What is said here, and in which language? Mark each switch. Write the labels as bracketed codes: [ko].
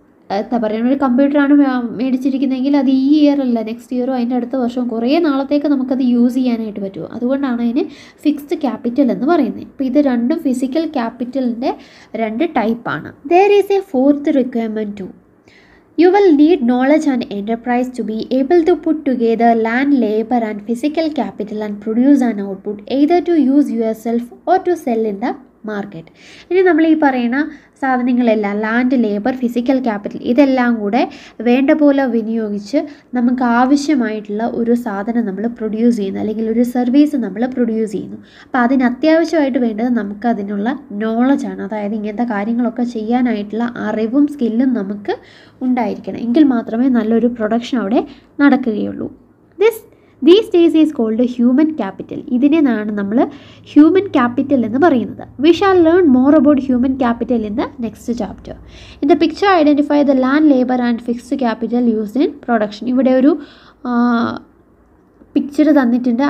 [ml] എന്താ പറയുക, ഒരു കമ്പ്യൂട്ടറാണ് മേടിച്ചിരിക്കുന്നതെങ്കിൽ അത് ഈ ഇയറല്ല, നെക്സ്റ്റ് ഇയറോ അതിൻ്റെ അടുത്ത വർഷവും കുറേ നാളത്തേക്ക് നമുക്കത് യൂസ് ചെയ്യാനായിട്ട് പറ്റുമോ. അതുകൊണ്ടാണ് അതിന് ഫിക്സ്ഡ് ക്യാപിറ്റൽ എന്ന് പറയുന്നത്. അപ്പോൾ ഇത് രണ്ടും ഫിസിക്കൽ ക്യാപിറ്റലിൻ്റെ രണ്ട് ടൈപ്പാണ്. [en] There is a fourth റിക്വയർമെൻറ്റും. You will need knowledge and enterprise to be able to put together land, labor and physical capital and produce an output either to use yourself or to sell in the market. [ml] ഇനി നമ്മൾ ഈ പറയുന്ന സാധനങ്ങളെല്ലാം, land, labour, physical capital, ഇതെല്ലാം കൂടെ വേണ്ട പോലെ വിനിയോഗിച്ച് നമുക്ക് ആവശ്യമായിട്ടുള്ള ഒരു സാധനം നമ്മൾ പ്രൊഡ്യൂസ് ചെയ്യുന്നു, അല്ലെങ്കിൽ ഒരു സർവീസ് നമ്മൾ പ്രൊഡ്യൂസ് ചെയ്യുന്നു. അപ്പോൾ അതിന് അത്യാവശ്യമായിട്ട് വേണ്ടത് നമുക്ക് അതിനുള്ള നോളജാണ്. അതായത് ഇങ്ങനത്തെ കാര്യങ്ങളൊക്കെ ചെയ്യാനായിട്ടുള്ള അറിവും സ്കില്ലും നമുക്ക് ഉണ്ടായിരിക്കണം. എങ്കിൽ മാത്രമേ നല്ലൊരു പ്രൊഡക്ഷൻ അവിടെ നടക്കുകയുള്ളൂ. [en] These days is called human capital. [ml] ഇതിനെ നാണ് നമ്മൾ ഹ്യൂമൻ ക്യാപിറ്റൽ എന്ന് പറയുന്നത്. [en] We shall learn more about human capital in the next chapter. In the picture identify the land, labour and fixed capital used in production. [ml] ഇവിടെ ഒരു picture തന്നിട്ടുണ്ട്.